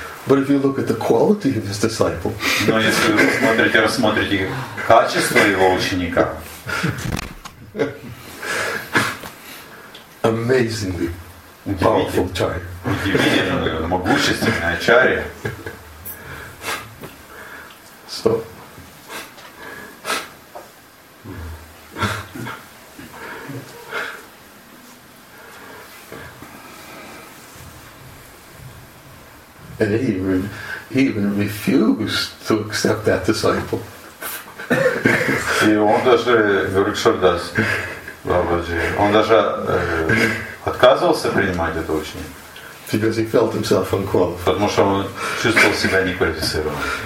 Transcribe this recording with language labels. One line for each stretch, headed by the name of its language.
English: But if you look at the quality of his disciple,
Russian: но если вы рассмотрите качество его ученика,
English: amazingly powerful acharya,
Russian: удивительно могущественный ачарья.
English: So, and he even refused to accept that disciple.
Russian: И он даже Рикшардас Бабаджи, он даже отказывался принимать этого ученика.
English: Because he felt himself unqualified.
Russian: Потому что он чувствовал себя неквалифицированным.